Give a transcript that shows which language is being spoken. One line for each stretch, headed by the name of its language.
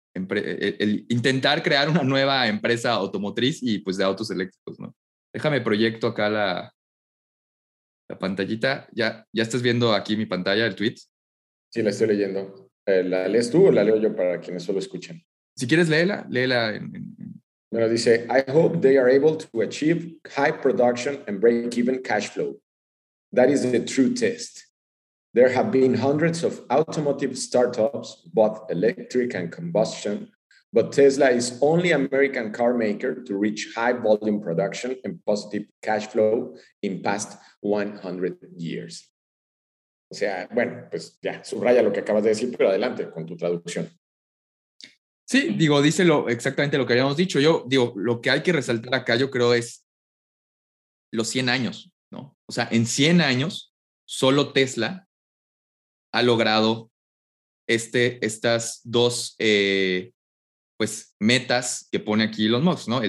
Spanish: El intentar crear una nueva empresa automotriz y pues de autos eléctricos, ¿no? Déjame proyecto acá la pantallita. ¿Ya estás viendo aquí mi pantalla, el tweet? Sí, la estoy leyendo. ¿La lees tú o la leo yo para quienes solo escuchan? Si quieres, léela. Léela.
English: Bueno, dice, I hope they are able to achieve high production and break-even cash flow. That is the true test. There have been hundreds of automotive startups, both electric and combustion, but Tesla is only American car maker to reach high volume production and positive cash flow in past 100 years.
Spanish: O sea, bueno, pues ya, subraya lo que acabas de decir, pero adelante con tu traducción. Sí, digo, díselo exactamente lo que habíamos dicho. Yo digo, lo que hay que resaltar acá, yo creo, es los 100 años, ¿no? O sea, en 100 años, solo Tesla ha logrado estas dos pues, metas que pone aquí Elon Musk, ¿no?